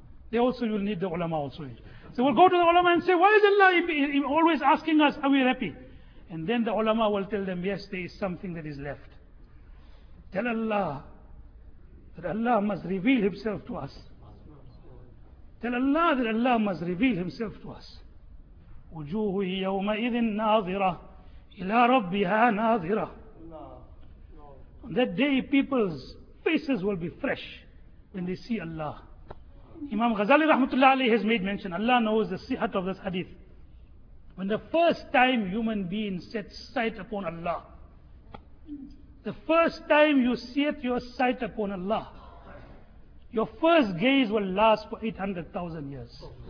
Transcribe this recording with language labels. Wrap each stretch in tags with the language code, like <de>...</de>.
<en>They also will need the ulama also. So we'll go to the ulama and say, why is Allah always asking us, are we happy? And then the ulama will tell them, yes, there is something that is left. Tell Allah that Allah must reveal himself to us. Tell Allah that Allah must reveal himself to us.</en> <ar>وجوه يومئذ ناظرة إلى ربها ناظرة.</ar> <en>On that day, people's faces will be fresh when they see Allah. Imam Ghazali rahmatullah alayhi has made mention, Allah knows the sihat of this hadith. When the first time human being sets sight upon Allah, the first time you set your sight upon Allah, your first gaze will last for 800,000 years.</en>